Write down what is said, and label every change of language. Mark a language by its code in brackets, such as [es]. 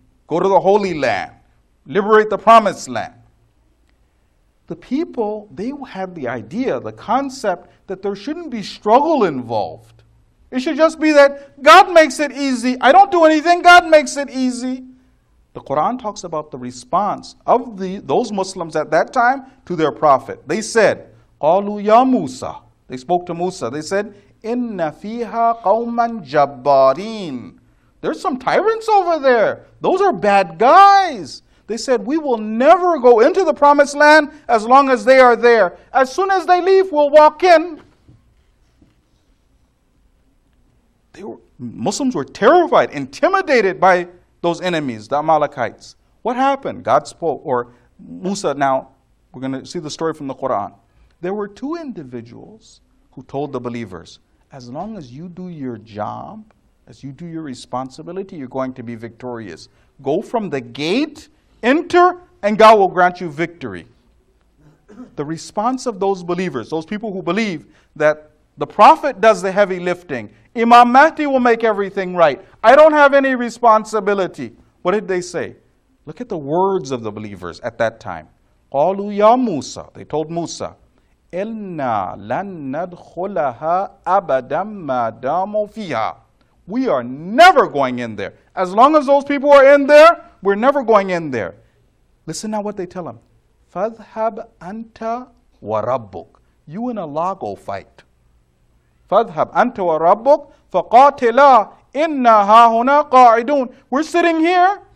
[en] Go to the Holy Land. Liberate the promised land. The people, they had the idea, the concept, that there shouldn't be struggle involved. It should just be that God makes it easy. I don't do anything, God makes it easy. The Quran talks about the response of those Muslims at that time to their prophet. They said, [ar] قَالُوا يَا مُوسَى. [en] They spoke to Musa. They said, [ar] إِنَّ فِيهَا قَوْمًا جَبَّارِينَ. [en] There's some tyrants over there. Those are bad guys. They said, we will never go into the promised land as long as they are there. As soon as they leave, we'll walk in. Muslims were terrified, intimidated by those enemies, the Amalekites. What happened? God spoke, or Musa. Now, we're going to see the story from the Quran. There were two individuals who told the believers, as long as you do your job, as you do your responsibility, you're going to be victorious. Go from the gate, enter, and God will grant you victory. The response of those believers, those people who believe that the prophet does the heavy lifting, Imam Mahdi will make everything right, I don't have any responsibility. What did they say? Look at the words of the believers at that time. [ar] قَالُوا يَا مُوسَى, [en] they told Musa, [ar] إِلَّا لَن نَدْخُلَهَا أَبَدًا مَا دَامُوا فِيهَا. [en] We are never going in there. As long as those people are in there, we're never going in there. Listen now what they tell him. [ar] فَذْهَبْ أَنْتَ وَرَبُّكَ. [en] You and Allah go fight. [ar] فَذْهَبْ أَنْتَ وَرَبُّكَ فَقَاتِلَا إِنَّا هَاهُنَا قَاعِدُونَ. [en] We're sitting here.